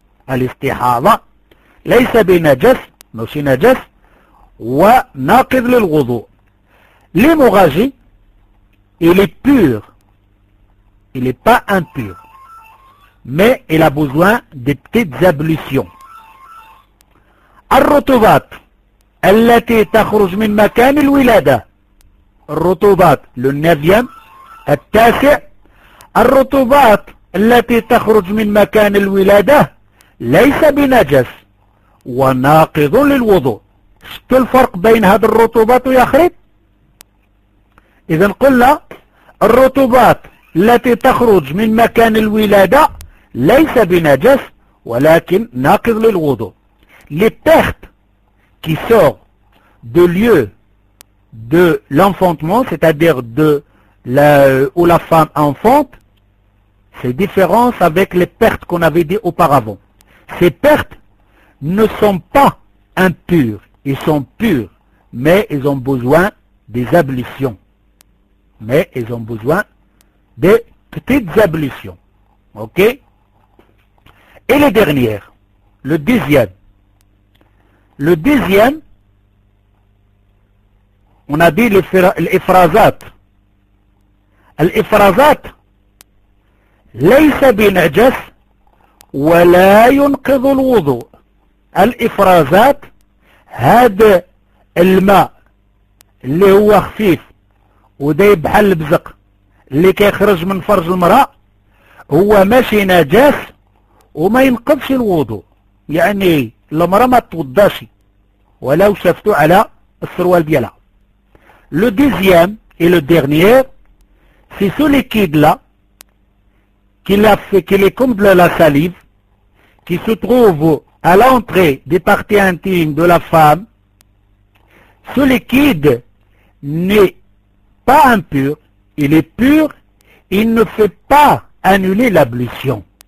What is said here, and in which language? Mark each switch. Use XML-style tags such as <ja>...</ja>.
<ar>الاستحاضة ليس بنجس، مش نجس، وناقض للوضوء.</ar> <fr>ليموغاجي، il est pur. Il n'est pas impur. Mais il a besoin de petites ablutions.</fr> <ar>الرطوبات التي تخرج من مكان الولادة. الرطوبات،</ar> <fr>le neuvième،</fr> <ar>التاسع، الرطوبات التي تخرج من مكان الولادة ليس بنجس وناقض للوضوء. شفت الفرق بين هذه الرطوبات يا خريب؟ إذا قلنا الرطوبات التي تخرج من مكان الولادة ليس بنجس ولكن ناقض للوضوء.</ar> <fr>Les pertes qui sortent de lieu de l'enfantement, c'est-à-dire de la, où la femme enfante, c'est différent avec les pertes qu'on avait dit auparavant. Ces pertes ne sont pas impures. Ils sont purs, mais ils ont besoin des ablutions. Mais ils ont besoin des petites ablutions. OK? Et les dernières. Le dixième. Le dixième, on a dit l'ifrazat.</fr> <ar>L'ifrazat, ليس بنجس ولا ينقض الوضوء. الإفرازات هذا الماء اللي هو خفيف وداي بحال البزق اللي كيخرج من فرج المرأة هو ماشي نجس وما ينقضش الوضوء. يعني المرأة ما توضاش ولو شافته على السروال ديالها.</ar> <fr>لو ديزيام اي لو ديرنيير سي سو ليكيد لا qui les comble de la salive, qui se trouve à l'entrée des parties intimes de la femme, ce liquide n'est pas impur, il est pur, il ne fait pas annuler l'ablution.</fr>